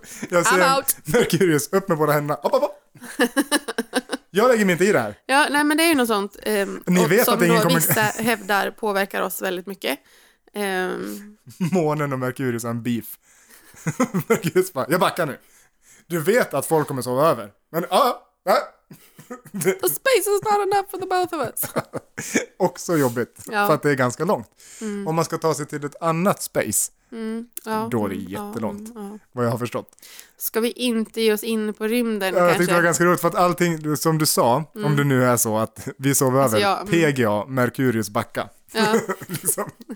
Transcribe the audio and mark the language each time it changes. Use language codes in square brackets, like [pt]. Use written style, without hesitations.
[sv] Jag ser Mercurius upp med våra händer. Jag lägger mig inte i det här. Ja, nej, men det är ju något sånt ni vet som att ingen vissa hävdar påverkar oss väldigt mycket. Månen och Mercurius är en beef. Mercurius bara, jag backar nu. Du vet att folk kommer sova över. Men [en] the space is not enough for the both of us. [sv] Också jobbigt. Ja. För att det är ganska långt. Mm. Om man ska ta sig till ett annat space. Då är det jättelångt, vad jag har förstått. Ska vi inte ge oss in på rymden? Ja, jag tyckte det var ganska roligt, för att allting, som du sa, om det nu är så att vi sover alltså, över PGA, Merkurius backa. liksom.